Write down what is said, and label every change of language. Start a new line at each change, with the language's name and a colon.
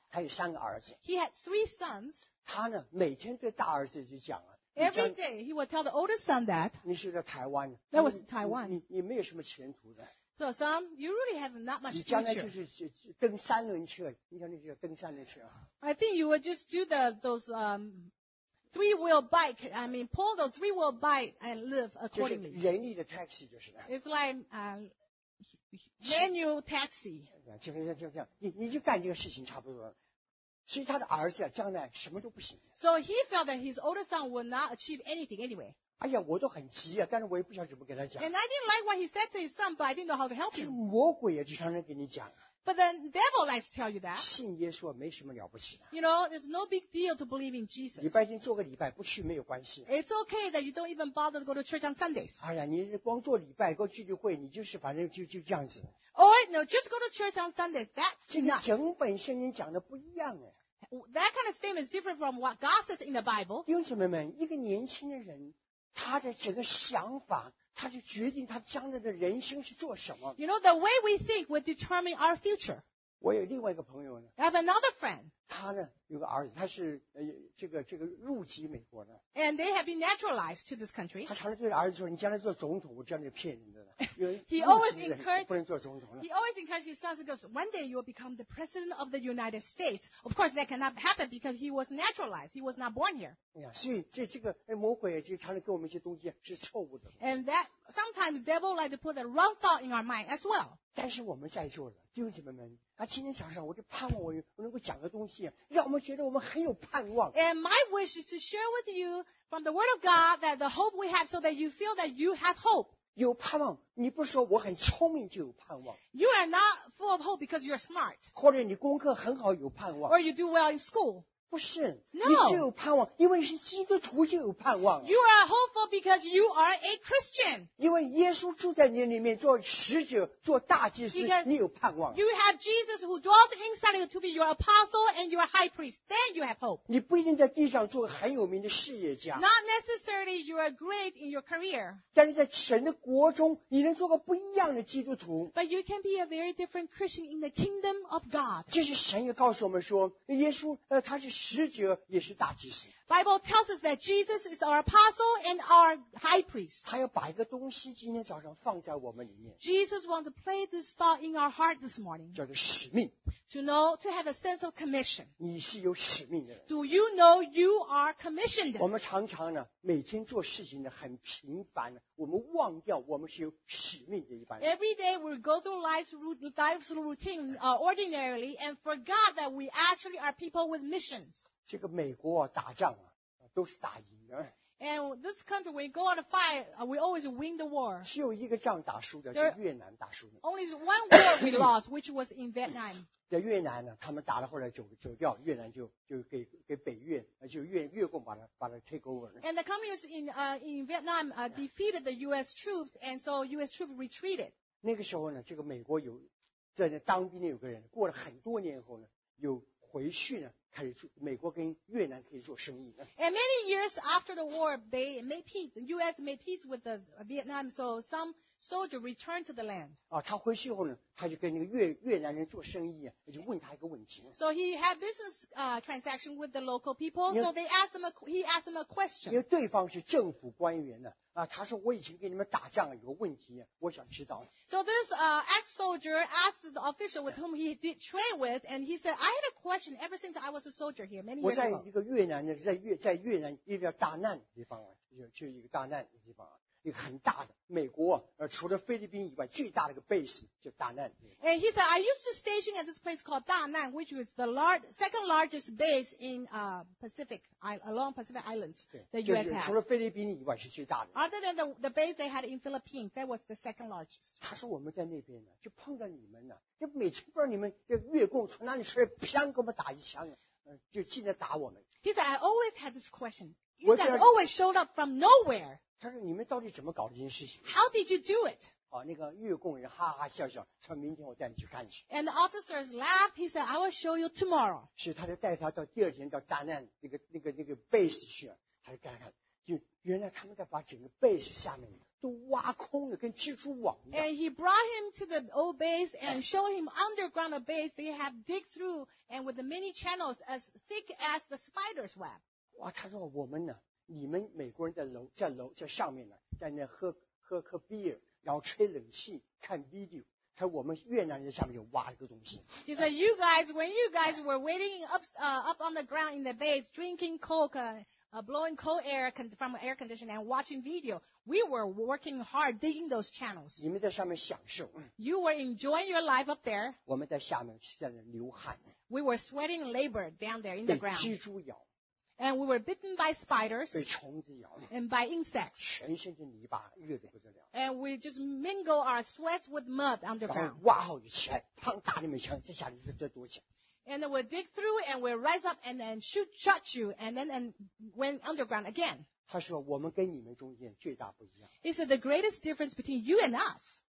Chinese: 他有三个儿子。
English: He had three sons.
Chinese: 他呢，每天对大儿子就讲啊。
English: Every day, he would tell the oldest son that.
Chinese: 你是在台湾。
English: That was Taiwan.
Chinese: 你没有什么前途的。
English: So, son, you really have not much future.
Chinese: 你将来就是蹬三轮车，你将来就蹬三轮车。
English: I think you would just do those three-wheel bike. I mean, pull those three-wheel bike and live accordingly.
Chinese: 就是人力的 taxi 就是的。
English: It's like manual taxi.
Chinese: 就这样，你就干这个事情差不多了。所以他的儿子啊，将来什么都不行。
English: So he felt that his older son would not achieve anything anyway.
Chinese: 哎呀，我都很急啊，但是我也不晓得怎么给他讲。
English: And I didn't like what he said to his son, but I didn't know how to help him.
Chinese: 这个魔鬼啊，就常常给你讲。
English: But the devil likes to tell you that.
Chinese: 信耶稣没什么了不起的。
English: You know, there's no big deal to believe in Jesus.
Chinese: 礼拜天做个礼拜，不去没有关系。
English: It's okay that you don't even bother to go to church on Sundays.
Chinese: 哎呀，你光做礼拜，光聚聚会，你就是反正就这样子。
English: Or no, just go to church on Sundays. That's enough.
Chinese: 整本圣经讲的不一样哎。
English: That kind of statement is different from what God says in the Bible.
Chinese: 弟兄姐妹们，一个年轻的人。他的整个想法，他就决定他将来的人生是做什么。
English: You know, the way we think will determine our future.
Chinese: 我有另外一个朋友呢。
English: I have another friend.
Chinese: 他呢有个儿子，他是这个入籍美国的。
English: And they have been naturalized to this country.
Chinese: 他常常对儿子说：“你将来做总统，我知道你骗人的了。”
English: He always encouraged.
Chinese: 不能做总统了。
English: He always encouraged his sons to go. One day you will become the president of the United States. Of course, that cannot happen because he was naturalized. He was not born here.
Chinese: 所以这个魔鬼就常常给我们一些东西是错误的。
English: And that sometimes devil like to put the wrong thought in our mind as well.
Chinese: 但是我们在座的弟兄姐妹们，啊，今天早上我就盼望我能够讲个东西，让我们觉得我们很有盼望。
English: And my wish is to share with you from the word of God that the hope we have so that you feel that you have hope.
Chinese: 有盼望，你不是说我很聪明就有盼望。
English: You are not full of hope because you're smart.
Chinese: 或者你功课很好有盼望。
English: Or you do well in school.
Chinese: 不是、
English: no.
Chinese: 你就有盼望，因为是基督徒就有盼望。
English: You are hopeful because you are a Christian.
Chinese: 因为耶稣住在你里面做使者做大祭司、
English: because、
Chinese: 你有盼望。
English: You have Jesus who dwells inside you to be your apostle and your high priest. Then you have hope.
Chinese: 你不一定在地上做很有名的事业家。
English: Not necessarily you are great in your career.
Chinese: 但是在神的国中你能做个不一样的基督徒。
English: But you can be a very different Christian in the kingdom of God.
Chinese: 这是神也告诉我们说耶稣、他是使者也是大祭司。
English: Bible tells us that Jesus is our apostle and our high priest.
Chinese: 他要把一个东西今天早上放在我们里面。
English: Jesus wants to play this thought in our heart this morning.
Chinese: 叫做使命。
English: To know, to have a sense of commission.
Chinese: 你是有使命的人。
English: Do you know you are commissioned?
Chinese: 我们常常呢，每天做事情呢很频繁，我们忘掉我们是有使命的一般人。
English: Every day we go through life's routine ordinarily and forgot that we actually are people with missions.
Chinese: 这个美国啊，打仗啊，都是打赢的。
English: And this country, when we go out to fight, we always win the war.
Chinese: 只有一个仗打输的，就越南打输的。
English: Only one war we lost, which was in Vietnam.
Chinese: 在越南呢，他们打了，后来走掉，越南就给北越，就越共把它
English: take over
Chinese: 了。
English: And the communists in Vietnam defeated the U.S. troops, and so U.S. troops retreated.
Chinese: 那个时候呢，这个美国有在那当兵的有个人，过了很多年后呢，有回去呢。开始做美国跟越南可以做生意呢？
English: And many years after the war, they made peace. The U.S. made peace with the Vietnam, so some soldier returned to the land.
Chinese: 啊，他回去后呢，他就跟那个越南人做生意啊，就问他一个问题。
English: So he had business transaction with the local people. So they asked him he asked him a question.
Chinese: 因为对方是政府官员呢。啊、他说我以前跟你们打仗有个问题我想知道
English: So this ex-soldier asked the official with whom he did train with and he said I had a question ever since I was a soldier here many years ago
Chinese: 我在一个越南的在越南一个大难的地方就一个大难的地方一个很大的美国除了菲律宾以外最大的一个 base 就大难
English: And he said I used to station at this place called Da Nang which was the second largest base in Pacific along Pacific Islands the U.S. had
Chinese: 除了菲律宾以外是最大的
English: Other than the base they had in Philippines that was the second largest
Chinese: 他说我们在那边呢就碰到你们了就每天碰到你们就越共从哪里出来偏给我们打一枪就进来打我们
English: He said I always had this question You guys always showed up from nowhere
Chinese: 他说你们到底怎么搞这件事情
English: How did you do it?、
Chinese: 啊、那个越共人哈哈笑笑说明天我带你去看去
English: And the officers laughed He said I will show you tomorrow
Chinese: 是他就带他到第二天到大难那个 base 去他就看看就原来他们在把整个 base 下面都挖空了跟蜘蛛网一样
English: And he brought him to the old base and showed him underground a base they have dig through and with the many channels as thick as the spider's web
Chinese: 哇他说我们呢你们美国人在上面呢在那喝颗 beer 然后吹冷气看 video 他说我们越南人在下面就挖了个东西
English: He said you guys when you guys were waiting up on the ground in the base drinking coke blowing cold air from air conditioning and watching video we were working hard digging those channels
Chinese: 你们在上面享受
English: You were enjoying your life up there
Chinese: 我们在下面在那流汗
English: We were sweating labor down there in the ground
Chinese: 被蜘蛛咬
English: And we were bitten by spiders
Chinese: 被虫子咬
English: and by insects.
Chinese: 全身是泥巴，热得不得了。
English: And we just mingle our sweats with mud underground.
Chinese: 挖好一枪，砰打你们枪，这下子就躲起来。
English: And then we'll dig through and we'll rise up and then shoot you and then and went underground again.
Chinese: 他说我们跟你们中间最大不一样。
English: He said the greatest difference between you and us.